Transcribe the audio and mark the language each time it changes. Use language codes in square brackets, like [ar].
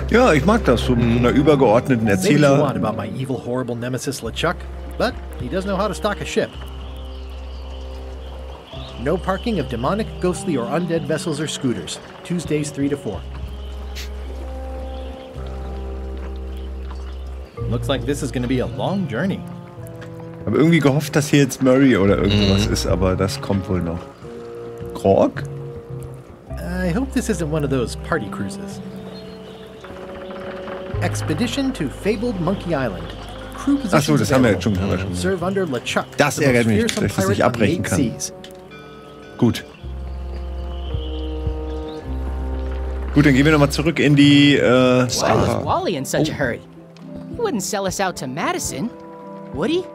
[de] Ja, ich mag das, so mit einer übergeordneten Erzähler. [en] Maybe you want about my evil, horrible nemesis LeChuck, but he does know how to stock a ship. No parking of demonic, ghostly, or undead vessels or scooters. Tuesdays 3 to 4. Looks like this is going to be a long journey. [de] Hab irgendwie gehofft, dass hier jetzt Murray oder irgendwas ist, aber das kommt wohl noch. [en] Grog? I hope this isn't one of those party cruises. Expedition to fabled Monkey Island. Crew positions. [de] Ach so, das haben wir jetzt schon. [en] Serve under LeChuck. [de] Das ärgert mich, dass ich nicht abbrechen kann. Seas. Gut. Gut, dann gehen wir nochmal zurück in die [en] Why was Wally in such a hurry? He wouldn't sell us out to Madison, would he?